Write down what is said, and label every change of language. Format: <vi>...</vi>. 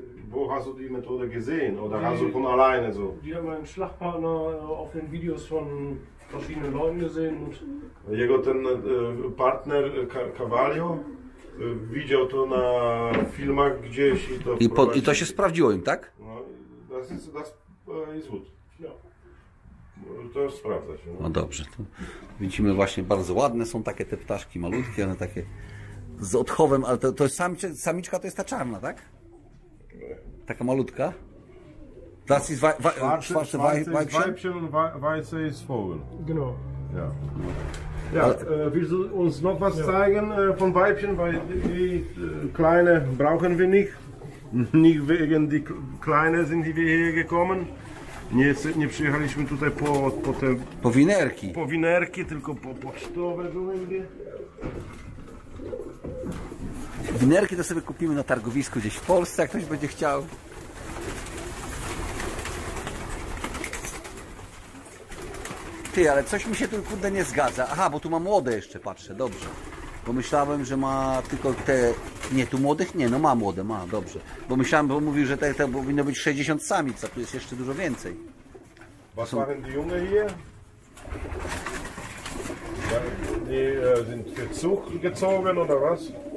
<de>Wo hast du die Methode gesehen? Oder hast du von alleine so? Die haben einen Schlagpartner auf den Videos von verschiedenen Leuten gesehen. Und</de> <pl>jego ten Partner Cavallo widział to na filmach gdzieś i to. I to się sprawdziło im, tak?</pl> <de>No, das ist gut.</de> <pl>To sprawdza się. No dobrze. To widzimy właśnie, bardzo ładne są takie te ptaszki, malutkie, one takie. Z odchowem, ale to jest samiczka, to jest ta czarna, tak? Taka malutka?</pl> <de>Das ist schwarze Weibchen und weiße ist Vogel. Genau. Ja. Ja, willst du uns noch was zeigen von Weibchen, weil die kleine brauchen wir nicht. Nicht wegen die Kleine sind wir hier gekommen.</de> <pl>Nie przyjechaliśmy tutaj po te... Po winerki. Po winerki, tylko po pocztowe były. Winerki to sobie kupimy na targowisku gdzieś w Polsce, jak ktoś będzie chciał. Ty, ale coś mi się tu kurde nie zgadza. Aha, bo tu ma młode jeszcze, patrzę, dobrze. Pomyślałem, że ma tylko te... Nie, tu młodych? Nie, no ma młode, ma, dobrze. Bo myślałem, bo mówił, że te powinno być 60 samic, a tu jest jeszcze dużo więcej.</pl> <de>Was waren die Junge hier? Die sind gezogen oder was?</de>